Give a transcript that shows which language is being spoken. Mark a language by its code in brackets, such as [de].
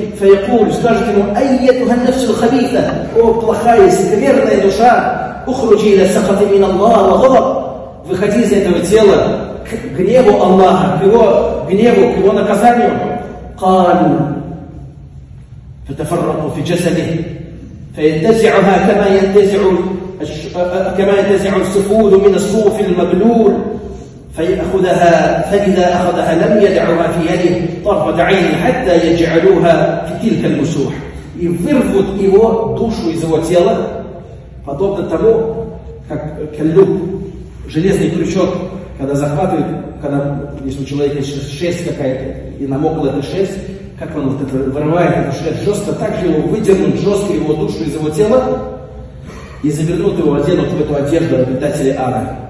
[ar] Фаякуль, скажет ему, ай ету ханнафсу хабита, [ru] о плохая, скверная душа, [ar] ухруджи ля сахати мин Аллаха ва ғазаб. [ru] Выходи из этого тела к гневу Аллаха, к его гневу, к его наказанию. [ar] Калу, фатафарраку фи джасади. فينتزعها كما ينتزع كما ينتزع السفود من الصوف المبلول فيأخذها فإذا أخذها لم يدعها في يده طرفة عين حتى يجعلوها في تلك المسوح. يفرفض [ru] его душу из его тела подобно тому, как кольнут железный крючок, когда захватывает, когда если у человека шерсть какая-то и намокла эта шерсть, как он вот это вырывает, потому что это жестко, так же его выдернут жестко, его душу из его тела и завернут его, оденут в эту одежду обитателей ада.